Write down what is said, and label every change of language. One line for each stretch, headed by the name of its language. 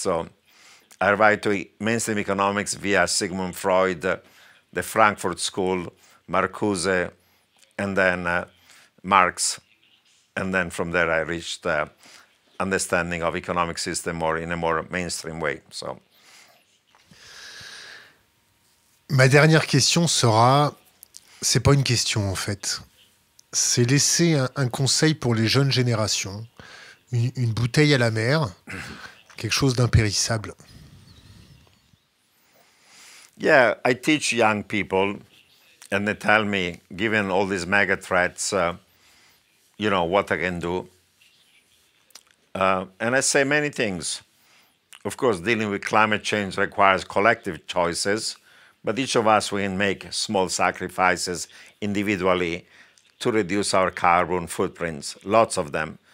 English: So I arrived to mainstream economics via Sigmund Freud, the Frankfurt School, Marcuse, and then Marx. And then from there, I reached understanding of economic system more in a more mainstream way. So,
French: ma dernière question sera, c'est pas une question en fait, c'est laisser un conseil pour les jeunes générations, une bouteille à la mer, quelque chose d'impérissable.
English: Yeah, I teach young people, and they tell me, given all these mega threats, you know, what I can do. And I say many things. Of course, dealing with climate change requires collective choices, but each of us, we can make small sacrifices individually to reduce our carbon footprints, lots of them.